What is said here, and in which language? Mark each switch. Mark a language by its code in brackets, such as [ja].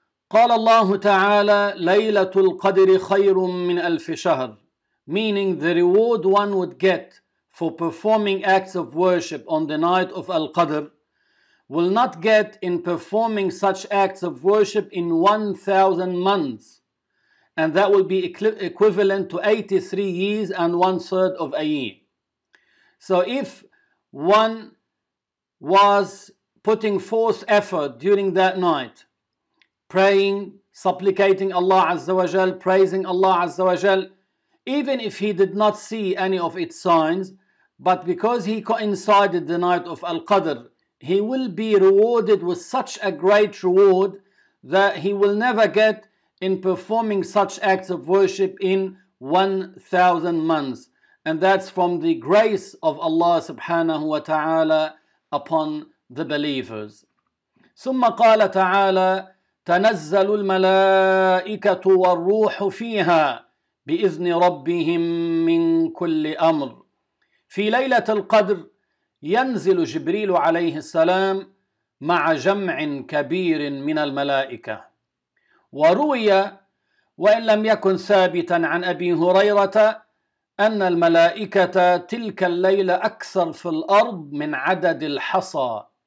[ar] قال الله تعالى ليلة القدر خير من ألف شهر [en] meaning the reward one would get for performing acts of worship on the night of Al-Qadr will not get in performing such acts of worship in 1,000 months. And that will be equivalent to 83 years and one third of a year. So if one was putting forth effort during that night, praying, supplicating Allah Azza wa Jal, praising Allah Azza wa Jal, even if he did not see any of its signs, but because he coincided the night of Al-Qadr, he will be rewarded with such a great reward that he will never get in performing such acts of worship in 1,000 months. And that's from the grace of Allah subhanahu wa ta'ala upon the believers. [ar] ثم قال تعالى تنزل الملائكة والروح فيها بإذن ربهم من كل أمر في ليلة القدر ينزل جبريل عليه السلام مع جمع كبير من الملائكة وروي وإن لم يكن ثابتا عن أبي هريرة أن الملائكة تلك الليلة أكثر في الأرض من عدد الحصى